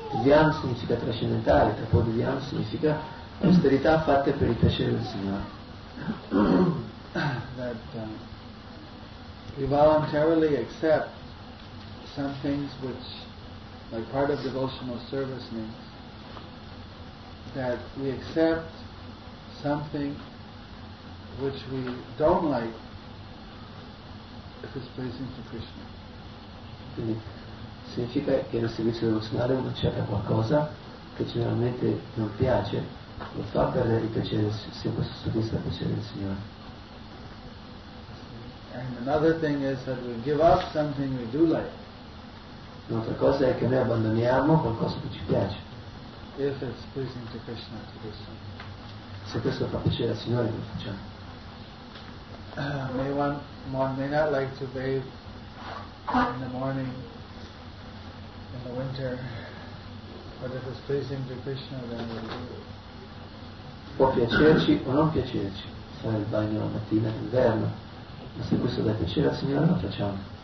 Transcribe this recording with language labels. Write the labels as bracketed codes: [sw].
[it] Dhyana significa trascendentale, tapo dhyana significa austerità fatte per il piacere del Signore. [en] That we voluntarily accept some things which, like part of devotional service means, that we accept something which we don't like if it's pleasing to Krishna. [it] Quindi, significa che nel servizio devozionale uno accetta qualcosa che generalmente non piace, lo fa per il piacere, se questo soddisfa il piacere del Signore. [en] And another thing is that we give up something we do like. [it] Un'altra cosa è che noi abbandoniamo qualcosa che ci piace. [en] If it's pleasing to Krishna, to do so. [it] Se questo fa piacere al Signore, lo facciamo. [en] One may not like to bathe in the morning. In the winter, but if it's pleasing to Krishna, then we'll do it. [it] Può piacerci o non piacerci, fare il bagno la mattina, l'inverno, ma se questo dà piacere al Signore, lo facciamo.